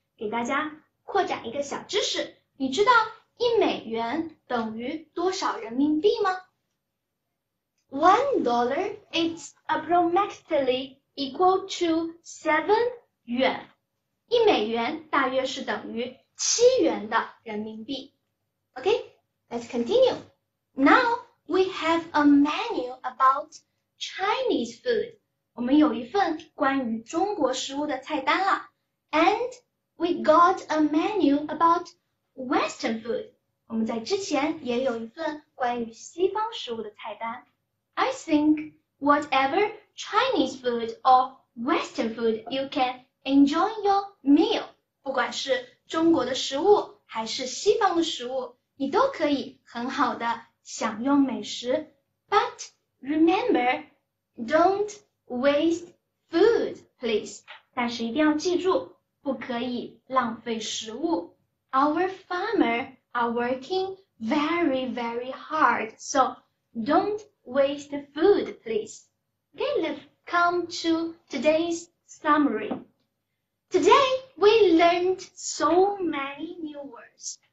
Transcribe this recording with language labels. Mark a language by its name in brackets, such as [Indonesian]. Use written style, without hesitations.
[Chinese] 给大家扩展一个小知识。你知道一美元等于多少人民币吗？ [English] $1 is approximately equal to 7 yuan. [Chinese] 一美元大约是等于7元的人民币。 [English] Okay, let's continue. Now, we have a menu about Chinese food. [Chinese] 我们有一份关于中国食物的菜单了。 [English] And we got a menu about Western food. [Chinese] 我们在之前也有一份关于西方食物的菜单。 [English] I think whatever Chinese food or Western food, you can enjoy your meal. [Chinese] 不管是中国的食物还是西方的食物，你都可以很好的享用美食， [English] But remember, don't waste food, please. [Chinese] 但是一定要记住，不可以浪费食物。 [English] Our farmers are working very, very hard, so don't waste food, please. Okay, let's come to today's summary. Today, we learned so many new words.